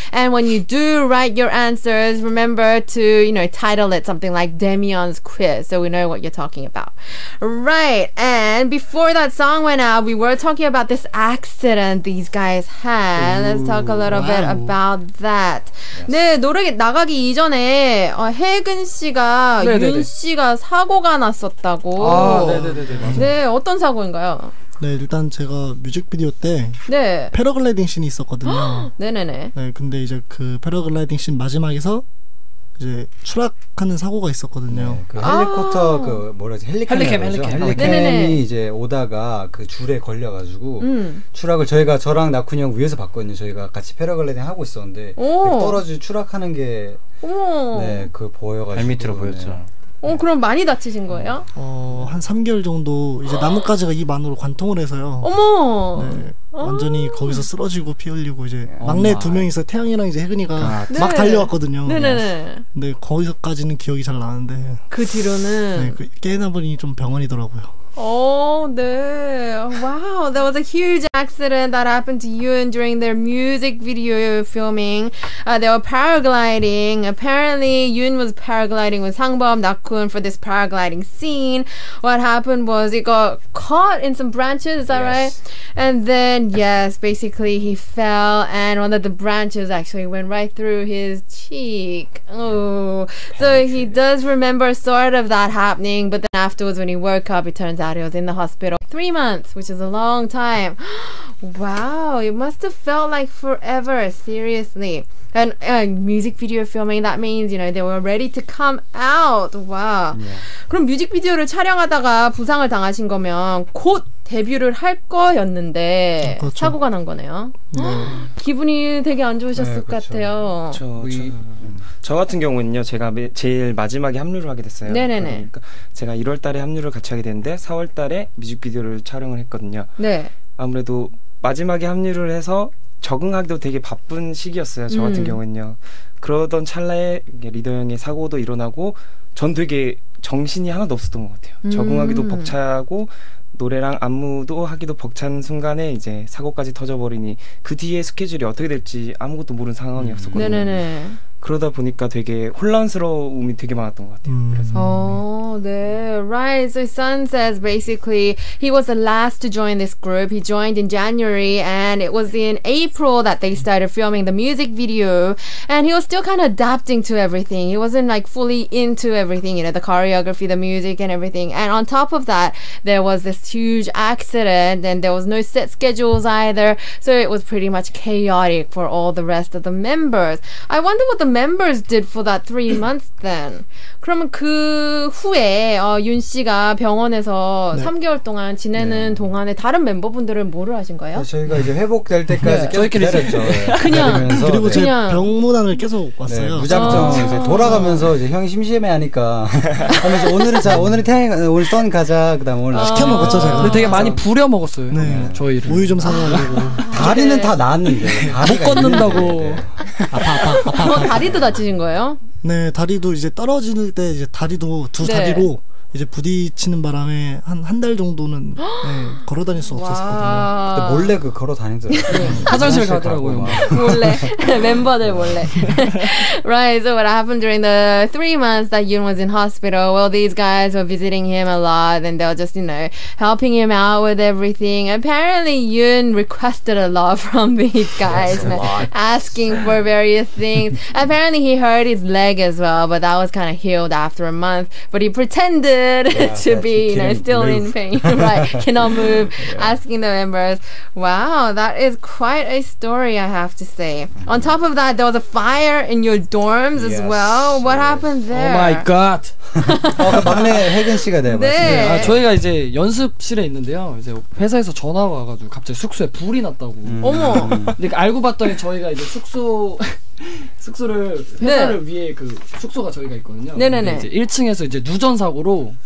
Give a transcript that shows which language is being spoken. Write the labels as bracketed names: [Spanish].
[English] And when you do write your answers, remember to, you know, title it something like Demion's Quiz so we know what you're talking about. Right, and before that song went out, we were talking about this accident these guys had. Ooh, let's talk a little bit about that. Yes. [Korean] 네, 노래 나가기 이전에 혜근 씨가 윤 씨가 사고가 났었다고. 아, 네네네네. 네, 어떤 사고인가요? 네, 일단 제가 뮤직비디오 때 네. 패러글라이딩 씬이 있었거든요. 네네네. 네, 근데 이제 그 패러글라이딩 씬 마지막에서 이제 추락하는 사고가 있었거든요. 네, 그 헬리콥터 아~ 그 뭐라지 헬리캠이 이제 오다가 그 줄에 걸려가지고 추락을 저희가 저랑 나쿤이 형 위에서 봤거든요. 저희가 같이 패러글라이딩 하고 있었는데 떨어지고 추락하는 게 네, 그 보여가지고 발 밑으로 보였죠. 그럼 많이 다치신 거예요? 한 3개월 정도 이제 나뭇가지가 입 안으로 관통을 해서요. 어머! 네, 완전히 거기서 쓰러지고 피 흘리고 이제 막내 두 명이서 태양이랑 이제 혜근이가 막 네. 달려왔거든요. 네네네. 근데 거기서까지는 기억이 잘 나는데 그 뒤로는? 네, 그 깨나보니 좀 병원이더라고요. Oh, 네. [English] Wow, that was a huge accident that happened to Yoon during their music video filming. They were paragliding. Apparently, Yoon was paragliding with Sangbom, Nakun for this paragliding scene. What happened was it got caught in some branches, is that right? And then, yes, basically he fell and one of the branches actually went right through his cheek. Oh, so he does remember sort of that happening, but then afterwards when he woke up, it turns out he was in the hospital 3 months, which is a long time. Wow, it must have felt like forever, seriously. And music video filming, that means, you know, they were ready to come out. Wow. Yeah. [Korean] 그럼 뮤직비디오를 촬영하다가 부상을 당하신 거면 곧 데뷔를 할 거였는데 그렇죠. 사고가 난 거네요. 네. 기분이 되게 안 좋으셨을 네, 그렇죠. 것 같아요. 저 같은 경우는요, 제가 제일 마지막에 합류를 하게 됐어요. 네네네. 그러니까 제가 1월 달에 합류를 같이 하게 됐는데 4월 달에 뮤직비디오를 촬영을 했거든요. 네. 아무래도 마지막에 합류를 해서 적응하기도 되게 바쁜 시기였어요. 저 같은 경우는요. 그러던 찰나에 리더 형의 사고도 일어나고 전 되게 정신이 하나도 없었던 것 같아요. 적응하기도 벅차고 노래랑 안무도 하기도 벅찬 순간에 이제 사고까지 터져버리니 그 뒤에 스케줄이 어떻게 될지 아무것도 모르는 상황이었었거든요. 네네네. 그러다 보니까 되게 혼란스러움이 되게 많았던 것 같아요. 그래서 [English] 네. Right. So Sun says basically he was the last to join this group. He joined in January and it was in April that they started filming the music video and he was still kind of adapting to everything. He wasn't like fully into everything, you know, the choreography, the music and everything. And on top of that, there was this huge accident and there was no set schedules either. So it was pretty much chaotic for all the rest of the members. I wonder what the members did for that 3 months then. [Korean] 그러면 그 후에 윤 씨가 병원에서 네. 3개월 동안 지내는 네. 동안에 다른 멤버분들은 뭐를 하신 거예요? 네, 저희가 이제 회복될 때까지 네. 계속 기다렸죠. 그냥 그리고 제 네. 병문안을 계속 왔어요. 네, 무작정 아. 이제 돌아가면서 이제 형이 심심해하니까 하면서 오늘은 자 오늘은 태양이 오늘 선 가자 그다음 오늘 시켜 먹었죠 제가. 근데 되게 많이 부려 먹었어요. 네. 저희를 우유 좀 사가지고 다리는 네. 다 나았는데 못 걷는다고 아파 아파 아파. 뭐 다리도 다치신 거예요? 네, 다리도 이제 떨어질 때 이제 다리도 두 네. 다리로 이제 부딪히는 바람에 한 달 정도는 네, 걸어 다닐 수 없었거든요. 몰래 그 걸어 다니더라고요. 화장실 가더라고요. 몰래 멤버들 몰래. [English] Right, so what happened during the 3 months that Yoon was in hospital? Well, these guys were visiting him a lot, and they were just, you know, helping him out with everything. Apparently, Yoon requested a lot from these guys, man, asking for various things. Apparently, he hurt his leg as well, but that was kind of healed after a month. But he pretended. to be, you know, still move. In pain, right? Cannot move, yeah. asking the members. Wow, that is quite a story, I have to say. Mm-hmm. On top of that, there was a fire in your dorms as well. What happened there? Oh my god! [Korean] 막내 혜근 씨가 되어 네. 아, 저희가 이제 연습실에 있는데요. 이제 회사에서 전화가 와가지고 갑자기 숙소에 불이 났다고. 어머! 근데 알고 봤더니 저희가 이제 숙소... 숙소를 회사를 네. 위해 그 숙소가 저희가 있거든요. 네네네. 이제 1층에서 이제 누전 사고로